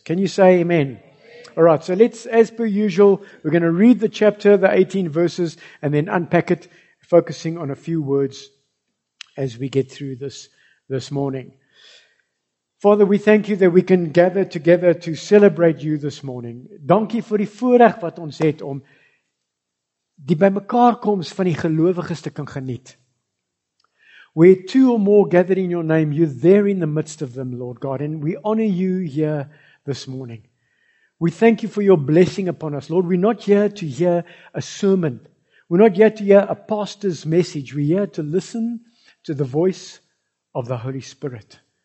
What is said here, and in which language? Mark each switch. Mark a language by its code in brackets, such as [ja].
[en] Can you say amen? All right. So let's, as per usual, we're going to read the chapter, the 18 verses, and then unpack it, focusing on a few words as we get through this morning. Father, we thank you that we can gather together to celebrate you this morning. [af] Dankie vir die voorreg wat ons het om die bymekaarkoms van die gelowiges te kan geniet. [en] Where two or more gather in your name, you're there in the midst of them, Lord God. And we honor you here this morning. We thank you for your blessing upon us, Lord. We're not here to hear a sermon. We're not here to hear a pastor's message. We're here to listen to the voice of the Holy Spirit.